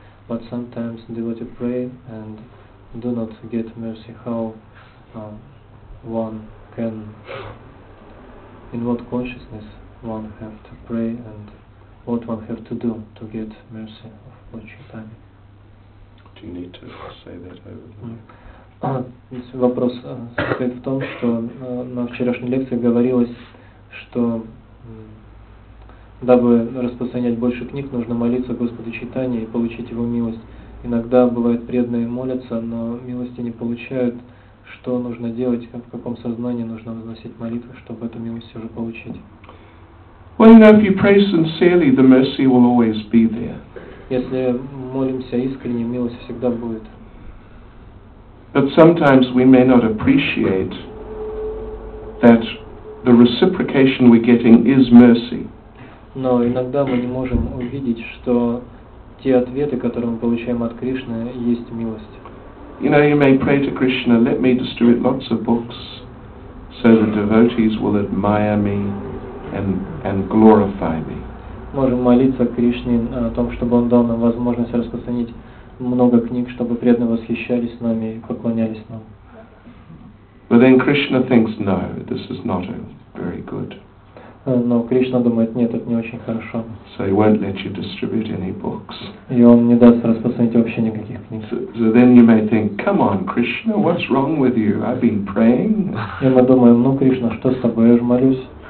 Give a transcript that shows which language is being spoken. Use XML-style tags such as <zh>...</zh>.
<en>But sometimes devotees pray and do not get mercy. How one can, in what consciousness one have to pray and what one have to do to get mercy of Lord Chaitanya? Do you need to say that over the mic?</en> <ru>Вопрос состоит в том, что на вчерашней лекции говорилось, что Дабы распространять больше книг, нужно молиться Господу Чайтанье и получить Его милость. Иногда бывает преданные молятся, но милости не получают. Что нужно делать, в каком сознании нужно возносить молитву, чтобы эту милость все же получить?</ru> <en>Well, you know, if you pray sincerely, the mercy will always be there.</en> <ru>Если молимся искренне, милость всегда будет.</ru> <en>But sometimes we may not appreciate that the reciprocation we're getting is mercy.</en> <ru>Но иногда мы не можем увидеть, что те ответы, которые мы получаем от Кришны, есть милость.</ru> <en>You know, you may pray to Krishna, let me distribute lots of books so the devotees will admire me and glorify me.</en> <ru>Можем молиться Кришне о том, чтобы Он дал нам возможность распространить много книг, чтобы преданные восхищались нами и поклонялись нам.</ru> <en>But then Krishna thinks, no, this is not very good.</en> <ru>Но Кришна думает, нет, это не очень хорошо.</ru> <en>So he won't let you distribute any books.</en> <ru>И он не даст распространить вообще никаких книг.</ru> <en>So then you may think, come on, Krishna, what's wrong with you? I've been praying.</en> <ru>И мы думаем, ну, Кришна, что с тобой, я же молюсь.</ru>